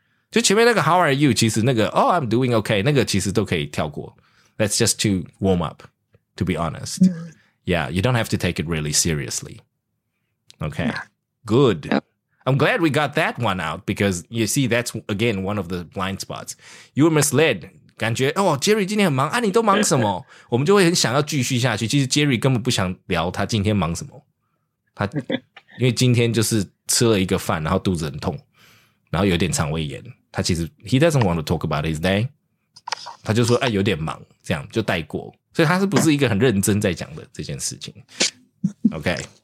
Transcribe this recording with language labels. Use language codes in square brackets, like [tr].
[zh] 就前面那个 [en] how are you? [zh] 其实那个 [en] oh, I'm doing okay. [zh] 那个其实都可以跳过。 [en] That's just to warm up, to be honest.、Mm-hmm. Yeah, you don't have to take it really seriously. Okay, good. I'm glad we got that one out because you see, that's again one of the blind spots. You were misled. [zh] 感觉哦 ，Jerry 今天很忙啊，你都忙什么？我们就会很想要继续下去。其实 Jerry 根本不想聊他今天忙什么。他因为今天就是吃了一个饭，然后肚子很痛，然后有点肠胃炎。他其实 [en] he doesn't want to talk about his day. [zh] 他就说哎，有点忙，这样就带过。所以他是不是一个很认真在讲的这件事情 ？Okay.